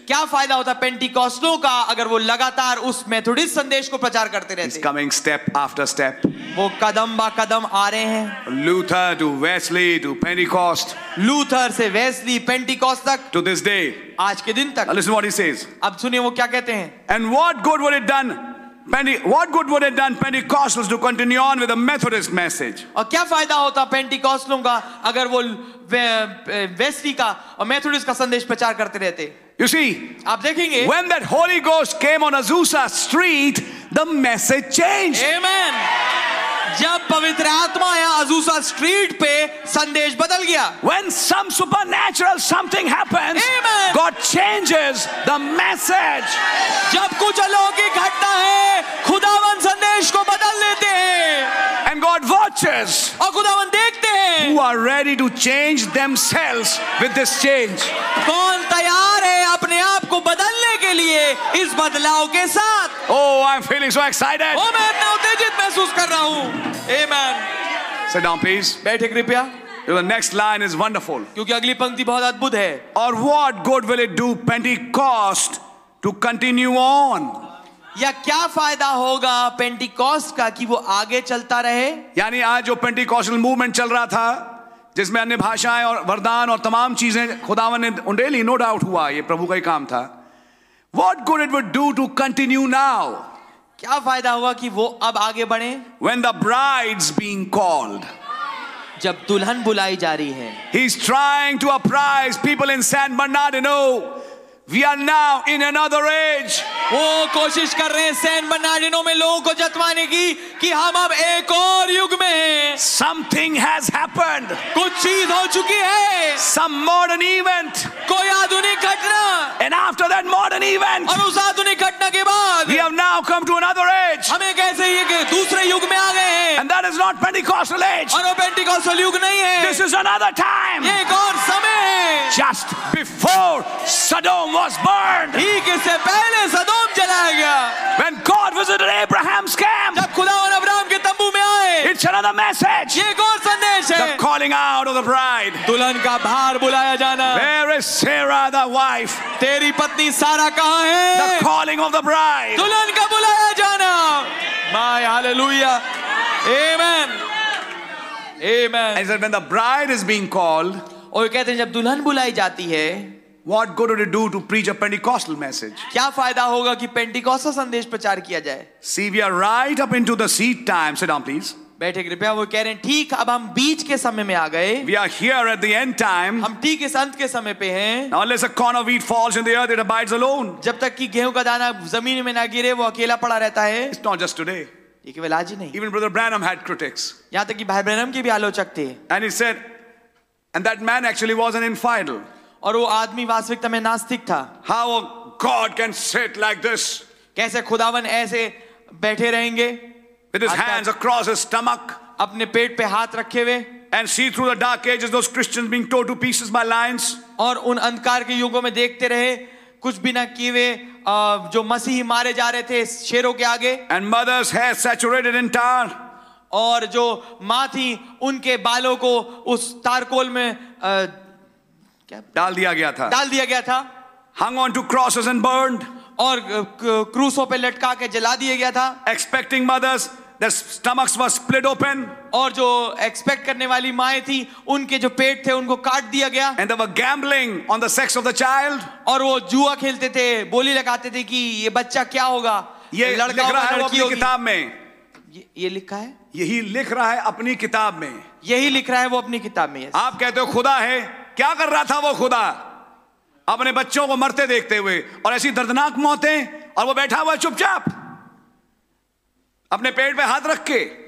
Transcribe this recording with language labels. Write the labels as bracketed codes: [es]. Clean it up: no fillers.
[hi] क्या फायदा होता पेंटिकॉस्टलों का अगर वो लगातार उस मेथोडिस्ट संदेश को प्रचार करते रहते? [en] He's coming step after step. [hi] वो कदम बा कदम आ रहे हैं. [en] Luther to Wesley to Pentecost. [hi] Luther से वेस्ली पेंटिकॉस्ट तक. [en] To this day. [hi] आज के दिन तक. [en] Now listen what he says. [hi] अब सुनिए वो क्या कहते हैं. [en] And what good would it done Pentecostals to continue on with the Methodist message? [hi] और क्या फायदा होता पेंटिकॉस्टलों का अगर वो वेस्ली का और मेथोडिस्ट का संदेश प्रचार करते रहते? [en] You see, [hi] आप देखेंगे. [en] When that Holy Ghost came on Azusa Street, the message changed. Amen. [hi] जब पवित्र आत्मा आया अजूसा स्ट्रीट पे संदेश बदल गया. [en] When some supernatural something happens, Amen. God changes the message. [hi] जब कुछ अलौकिक घटना है खुदावन संदेश को बदल लेते हैं. [en] And God watches. [hi] और खुदावन देखते हैं. [en] Who are ready to change themselves with this change? [hi] कौन तैयार है अपने आप को बदलने के लिए इस बदलाव के साथ? [en] Oh, I'm feeling so excited. [hi] ओ मैं इतना उत्तेजित महसूस कर रहा हूँ. [en] Amen. Sit down, please. [hi] बैठे कृपया. [en] The next line is wonderful. [hi] क्योंकि अगली पंक्ति बहुत अद्भुत है. [en] Or what good will it do Pentecost to continue on? [hi] या क्या फायदा होगा पेंटिकॉस्ट का कि वो आगे चलता रहे? यानी आज जो पेंटिकॉस्टल मूवमेंट चल रहा था जिसमें अन्य भाषाएं और वरदान और तमाम चीजें खुदावन ने उंडेली, [en] no doubt [hi] हुआ ये प्रभु का ही काम था. [en] What good it would do to continue now? [hi] क्या फायदा होगा कि वो अब आगे बढ़े? [en] When the bride's being called. [hi] जब दुल्हन बुलाई जा रही है. [en] He's trying to apprise people in San Bernardino We are now in another age. [hi] वो कोशिश कर रहे हैं सैन बनाने में लोगों को जतवाने की कि हम अब एक और युग में हैं. [en] Something has happened. [hi] कुछ चीज हो चुकी है. [en] Some modern event. [hi] कोई आधुनिक घटना. [en] And after that modern event. [hi] और उस आधुनिक घटना के बाद. [en] We have now come to another age. [hi] हमें कैसे ये कि दूसरे युग में आ गए हैं. [en] And that is not Pentecostal age. [hi] और वो पेंटिकॉस्टल युग नहीं है. [en] This is another time. [hi] ये एक और समय है. [en] Just before Sodom was burned. [hi] ठीक इससे पहले सदोम जलाया गया. [en] When God visited Abraham's camp. [hi] जब खुदा और अब्राहम के तंबू में आए. [en] It's another message. [hi] ये एक और संदेश है. [en] The calling out of the bride. [hi] दुल्हन का बाहर बुलाया जाना. [en] Where is Sarah the wife? [hi] तेरी पत्नी सारा कहाँ है? [en] The calling of the bride. [hi] दुल्हन का बुलाया जाना. [en] My hallelujah. Amen. Amen. He said, when the bride is being called. [hi] और कहते हैं जब दुल्हन बुलाई जाती है. [en] What good would it do to preach a Pentecostal message? [hi] क्या फायदा होगा कि पेंटिकॉस्टल संदेश प्रचार किया जाए? [en] See, we are right up into the seed time. Sit down, please. [hi] बैठे कृपया. वो कह रहे हैं ठीक अब हम बीच के समय में आ गए. [en] We are here at the end time. [hi] हम ठीक इस अंत के समय पे हैं. [en] Unless a corn of wheat falls in the earth, it abides alone. [hi] जब तक कि गेहूं का दाना जमीन में ना गिरे वो अकेला पड़ा रहता है. [en] It's not just today. [hi] ये केवल आज ही नहीं. [en] Even Brother Branham had critics. [hi] यहां तक कि भाई ब्रैनम के भी आलोचक थे. [en] And he said, and that man actually was an infidel. [hi] और वो आदमी वास्तविकता में नास्तिक था. [en] How God can sit like this? [hi] कैसे खुदावन ऐसे बैठे रहेंगे? [en] With his hands across his stomach. [hi] अपने पेट पे हाथ रखे हुए. [en] And see through the dark ages those Christians being torn to pieces by lions. [hi] और उन अंधकार के युगों में देखते रहे कुछ भी ना किए जो मसीही मारे जा रहे थे शेरों के आगे. [en] And mother's hair saturated in tar. [hi] और जो माँ थी उनके बालों को उस तारकोल में डाल दिया गया था. Hung on to crosses and burned. और क्रूसों पे लटका के जला दिया गया था. Expecting mothers, their stomachs were split open. और जो एक्सपेक्ट करने वाली माएं थी उनके जो पेट थे उनको काट दिया गया. And they were gambling on the sex of the child. और वो जुआ खेलते थे बोली लगाते थे कि ये बच्चा क्या होगा. ये लड़का होगा लड़की होगी. किताब में ये लिखा है. यही लिख रहा है अपनी किताब में. यही लिख रहा है वो अपनी किताब में. आप कहते हो खुदा है. क्या कर रहा था वो खुदा अपने बच्चों को मरते देखते हुए और ऐसी दर्दनाक मौतें और वो बैठा हुआ चुपचाप अपने पेट पे हाथ रख के.